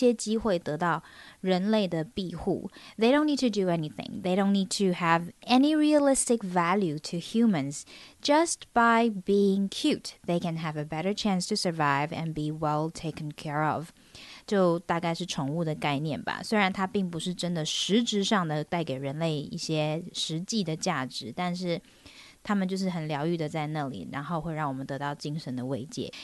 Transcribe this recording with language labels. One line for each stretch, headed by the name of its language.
Chinese: 小动物可爱一点呢，也能让它们多一些机会得到人类的庇护.
English: They don't need to do anything. They don't need to have any realistic value to humans. Just by being cute, they can have a better chance to survive and be well taken care of.
Chinese: 就大概是宠物的概念吧，虽然它并不是真的实质上的带给人类一些实际的价值，但是它们就是很疗愈的在那里，然后会让我们得到精神的慰藉.